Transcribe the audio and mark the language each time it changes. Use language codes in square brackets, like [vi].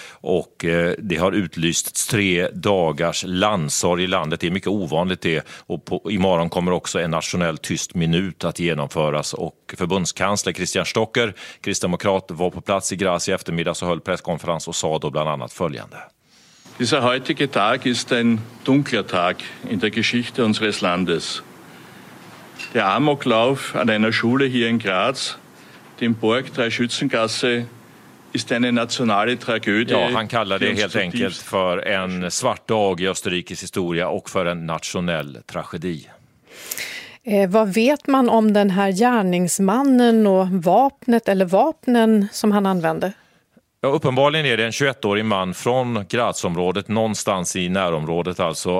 [sv] Och det har utlysts 3 dagars landsorg i landet. Det är mycket ovanligt det. Och imorgon kommer också en nationell tyst minut att genomföras. Och förbundskansler Christian Stocker, kristdemokrat, var på plats i Graz i eftermiddag och höll presskonferens och sa då bland annat följande. [de] Dieser heutige Tag ist ein dunkler Tag in der Geschichte unseres Landes. Der Amoklauf an einer Schule hier in Graz, dem Borg 3 Schützengasse, ist eine nationale Tragödie. [sv] Ja, han kallar det helt enkelt för en svart dag i Österrikes historia och för en nationell tragedi. Vad vet man om den här gärningsmannen och vapnet eller vapnen som han använde? Ja, uppenbarligen är det en 21-årig man från Graz-området, någonstans i närområdet alltså.